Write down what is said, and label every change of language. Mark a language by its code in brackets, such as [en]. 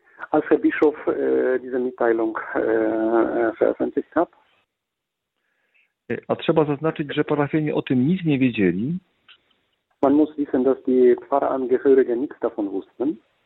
[de] als Herr Bischof diese Mitteilung veröffentlicht hat, [pl] a trzeba zaznaczyć, że parafianie o tym nic nie wiedzieli. [de] Man muss wissen, dass die Pfarrangehörigen nichts davon wussten.